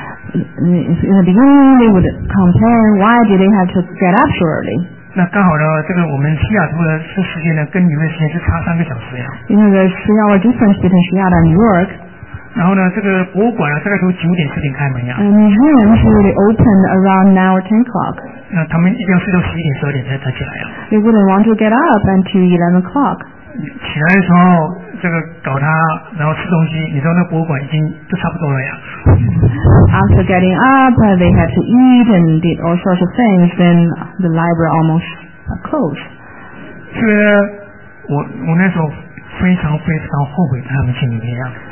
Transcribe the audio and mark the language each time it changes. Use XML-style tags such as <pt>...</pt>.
<en>In the beginning, they would complain, why did they have to get up so early?</en> <zh>那刚好呢，这个我们西雅图的时间呢，跟纽约时间是差三个小时呀。</zh> <en>You know, there's 3 hour difference between Seattle and New York.</en> <zh>然后呢，这个博物馆啊，大概从九点十点开门呀。</zh> <en>Museum usually open around 9 or 10 o'clock.</en> <zh>那他们一定要睡到11点12点才起来呀。</zh> <en>They wouldn't want to get up until 11 o'clock.</en> <zh>起来的时候，这个搞他，然后吃东西，你知道那博物馆已经都差不多了呀。</zh> <en>After getting up, they had to eat and did all sorts of things. Then the library almost closed.</en> <zh>是的，我那时候非常非常后悔他们去纽约呀。</zh>